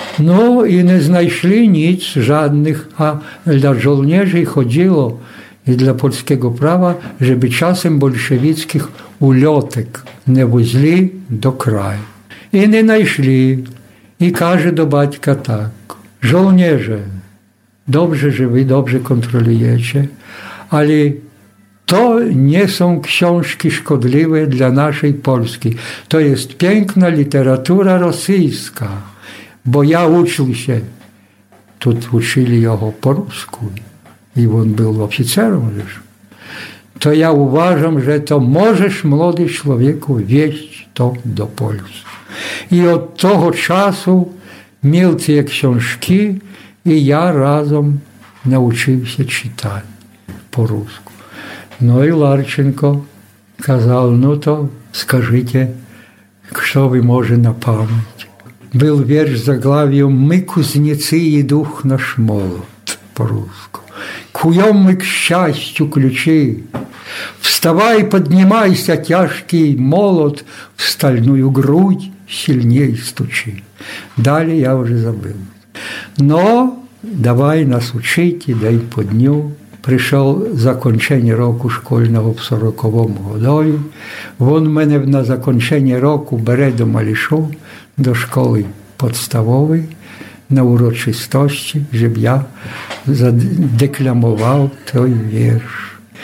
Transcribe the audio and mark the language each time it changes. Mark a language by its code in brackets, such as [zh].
[uk] Ну, і не знайшли ніч жодних, а для жолнєжі ходило, і для польського права, щоб часом большевіцьких ульотик не везли до краю. І не знайшли. І каже до батька так. [pl] Жолнєжі, добре живі, добре контролюєте, але то не są książki szkodliwe dla naszej Polski. To jest piękna literatura rosyjska, bo ja uczył się. Tu uczyli jego po rusku i on był oficerem już. To ja uważam, że to możesz młody człowieku wieść to do Polski. I od tego czasu miał te książki i ja razem nauczył się czytać po rusku. [uk] Ну і Ларченко казав, ну то скажіть, що ви може на пам'ять. Був вірш за главою «Ми кузнеці і дух наш молод» по-русски. [ru] «Куйом ми к щастю ключі, вставай, піднімайся, тяжкий молод, в стальну грудь сильней стучи». [uk] Далі я вже забив. Ну, давай нас учити, дай по дню. Прийшов закінчення року школьного в 40-му годові. Він мене на закінчення року бере до Малішу, до школи підставової, на урочистості, щоб я задекламував той вірш.